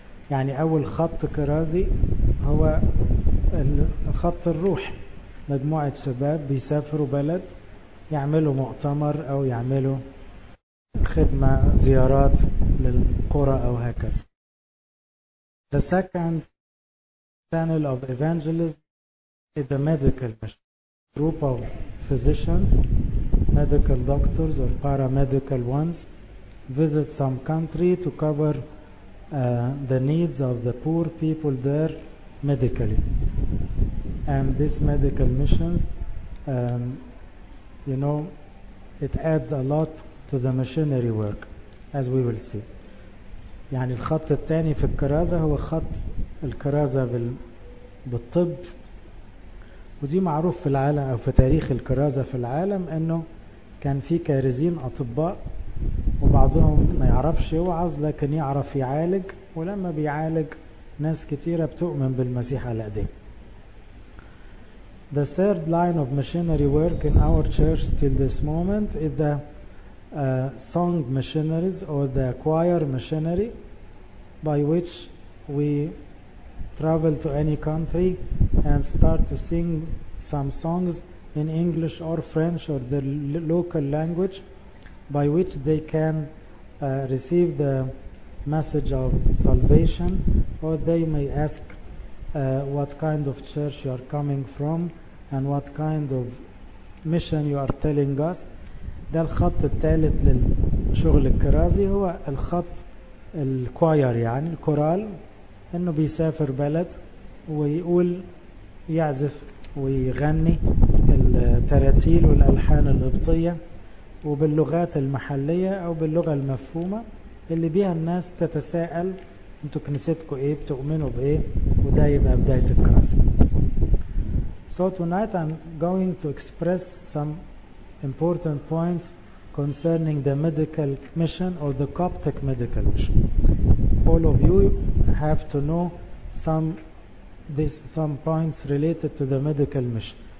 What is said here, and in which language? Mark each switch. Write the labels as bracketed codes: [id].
[ar] يعني أول خط كرازي هو الخط الروح مجموعة شباب بيسافروا بلد يعملوا مؤتمر أو يعملوا خدمة زيارات للقرى أو هكذا. [en] The second channel of evangelism is the medical mission. Group of physicians, medical doctors or paramedical ones visit some country to cover the needs of the poor people there medically. And this medical mission, you know, it adds a lot to the missionary work, as we will see. [ar] يعني الخط الثاني في الكرازة هو خط الكرازة بالطب. ودي معروف في العالم أو في تاريخ الكرازة في العالم أنه كان في كارزين أطباء وبعضهم ما يعرفش يوعظ لكن يعرف يعالج، ولما بيعالج ناس كتيرة بتؤمن بالمسيح على أيديه. [en] The third line of missionary work in our church till this moment is the song missionaries or the choir missionary, by which we travel to any country and start to sing some songs in English or French or the local language, by which they can receive the message of salvation, or they may ask what kind of church you are coming from and what kind of mission you are telling us. [ar] ده الخط الثالث للشغل الكرازي هو الخط الكواير يعني الكورال، انه بيسافر بلد ويقول يعزف ويغني التراتيل والالحان القبطيه وباللغات المحلية أو باللغة المفهومة اللي بيها الناس تتساءل انتوا كنيستكوا ايه، بتؤمنوا بايه، وده يبقى بداية الكرازة. [en] So tonight I'm going to express some important points concerning the medical mission or the Coptic medical mission. All of you have to know some points related to the medical mission.